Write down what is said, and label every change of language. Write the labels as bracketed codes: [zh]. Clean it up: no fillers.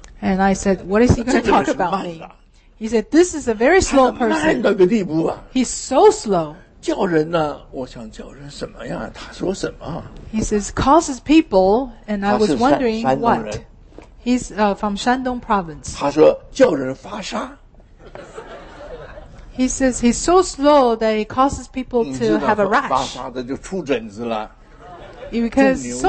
[en] And I said, what is he going to talk about me? He said, this is a very slow person. [zh] 慢到个地步啊, [en] He's so slow. [zh] 叫人呢, 我想叫人什么呀, 他说什么? [en] He says, calls his people, and I was wondering what. He's from Shandong province. [zh] 他说叫人发沙。 [en] He says he's so slow that he causes people to have a rash. [zh] 发沙的就出疹子了。 [en] Because so